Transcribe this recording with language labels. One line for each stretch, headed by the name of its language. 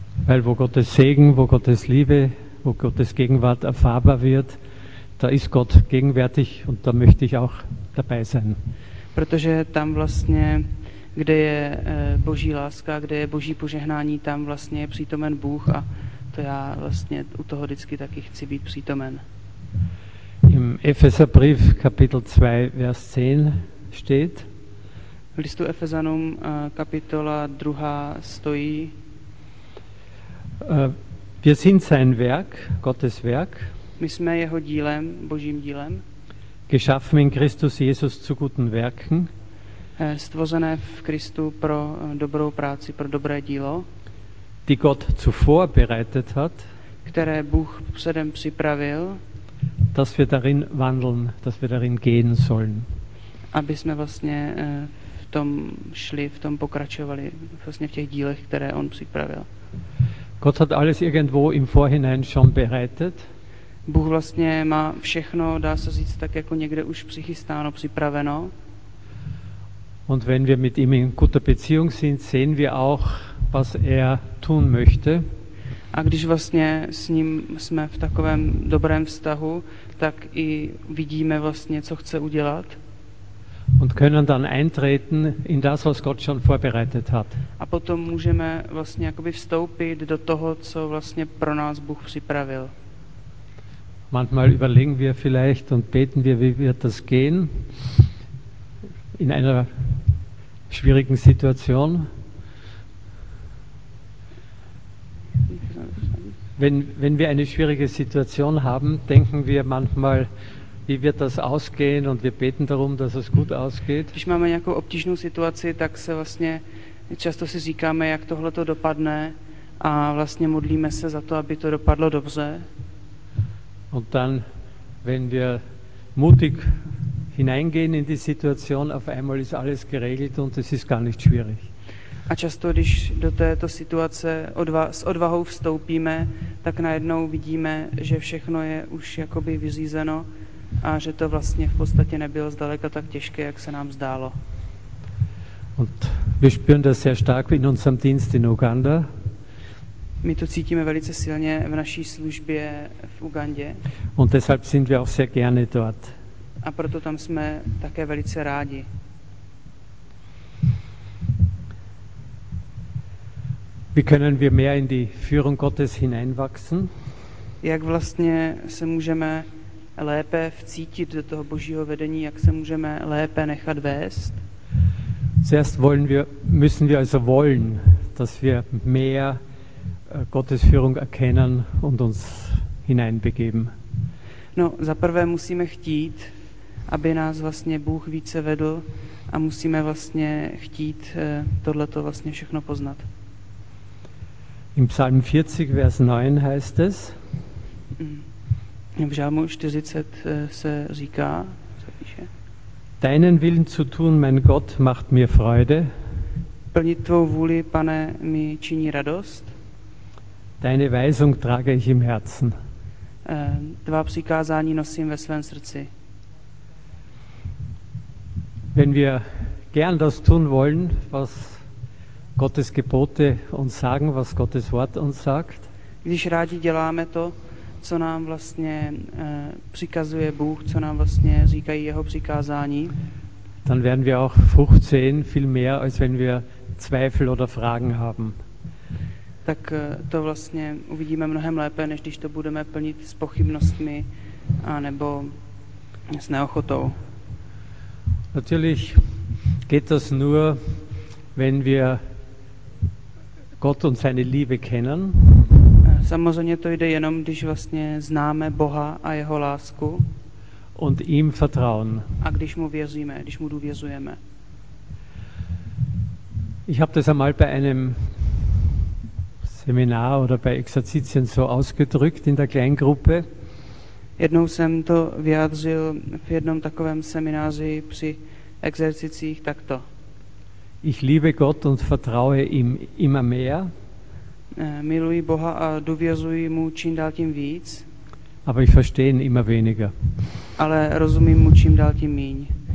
German: Weil wo Gottes Segen, wo Gottes Liebe, wo Gottes Gegenwart erfahrbar wird, da ist Gott gegenwärtig und da möchte ich auch dabei sein.
Czech: Protože tam vlastně, kde je Boží láska, kde je Boží požehnání, tam vlastně je přítomen Bůh a to já vlastně u toho vždycky taky chci být přítomen.
German: Im Epheserbrief Kapitel 2 Vers 10 steht.
Czech: V listu Efezanům kapitola 2 stojí.
German: Wir sind sein Werk, Gottes Werk.
Czech: My jsme jeho dílem, Božím dílem.
German: Geschaffen in Christus Jesus zu guten Werken.
Czech: Stvořené v Kristu pro dobrou práci, pro dobré dílo.
German: Die Gott zuvor bereitet hat.
Czech: Které Bůh předem připravil.
German: Dass wir darin wandeln, dass wir darin gehen sollen.
Czech: Aby jsme vlastně v tom šli, v tom pokračovali, vlastně v těch dílech, které on připravil.
German: Gott hat alles irgendwo im Vorhinein schon bereitet.
Czech: Bůh vlastně má všechno, dá se říct, tak jako někde už přichystáno, připraveno.
German: Und wenn wir mit ihm in guter Beziehung sind, sehen wir auch, was er tun möchte.
Czech: A když vlastně s ním jsme v takovém dobrém vztahu, tak i vidíme vlastně, co chce udělat.
German: Und können dann eintreten in das, was Gott schon vorbereitet hat.
Czech: A potom můžeme vlastně jakoby vstoupit do toho, co vlastně pro nás Bůh připravil.
German: Manchmal überlegen wir vielleicht und beten wir, wie wird das gehen in einer schwierigen Situation. Wenn wir eine schwierige Situation haben, denken wir manchmal, wie wird das ausgehen und wir beten darum, dass es gut ausgeht.
Czech: Když máme nějakou obtížnou situaci, tak se vlastně často si říkáme, jak tohle to dopadne a vlastně modlíme se za to, aby to dopadlo dobře.
German: Und dann, wenn wir mutig hineingehen in die Situation, auf einmal ist alles geregelt und es ist gar nicht schwierig.
Czech: A často, když do této situace s odvahou vstoupíme, tak najednou vidíme, že všechno je už jakoby vyřízeno a že to vlastně v podstatě nebylo zdaleka tak těžké, jak se nám zdálo.
German: Und wir spüren das sehr stark in unserem Dienst in Uganda.
Czech: My to cítíme velice silně v naší službě v Ugandě.
German: Und deshalb sind wir auch sehr gerne dort.
Czech: A proto tam jsme také velice rádi.
German: Wie können wir mehr in die Führung Gottes hineinwachsen?
Czech: Jak vlastně se můžeme lépe vcítit do toho Božího vedení, jak se můžeme lépe nechat vést?
German: Zuerst wollen wir, müssen wir also wollen, dass wir mehr Gottes Führung erkennen und uns hineinbegeben.
Czech: No, za prvé musíme chtít, aby nás vlastně Bůh více vedl a musíme vlastně chtít tohleto vlastně všechno poznat.
German: Im Psalm 40, Vers 9 heißt es.
Czech: V Žalmu 40 se říká, co píše.
German: Deinen Willen zu tun, mein Gott, macht mir Freude.
Czech: Plnit tvou vůli, Pane, mi činí radost.
German: Deine Weisung trage ich im Herzen.
Czech: Tvá přikázání nosím ve svém srdci.
German: Wenn wir gern das tun wollen, was Gottes Gebote uns sagen, was Gottes Wort uns sagt.
Czech: Když rádi děláme to, co nám vlastně přikazuje Bůh, co nám vlastně říkají jeho přikázání.
German: Dann werden wir auch Frucht sehen, viel mehr als wenn wir Zweifel oder Fragen haben.
Czech: Tak to vlastně uvidíme mnohem lépe, než když to budeme plnit s pochybnostmi a nebo s neochotou.
German: Natürlich geht das nur, wenn wir Gott und seine Liebe kennen.
Czech: Samozřejmě to jde jenom, když vlastně známe Boha a jeho lásku.
German: Und ihm vertrauen.
Czech: A když mu věříme, když mu důvěřujeme.
German: Ich habe das einmal bei einem Seminar oder bei Exerzitien so ausgedrückt in der Kleingruppe.
Czech: Jednou jsem to vyjádřil v jednom takovém semináři při exercicích takto.
German: Ich liebe Gott und vertraue ihm immer mehr.
Czech: Miluji Boha a důvěřuji mu čím dál tím víc.
German: Aber ich verstehe ihn immer weniger.
Czech: Ale rozumím mu čím dál tím míň.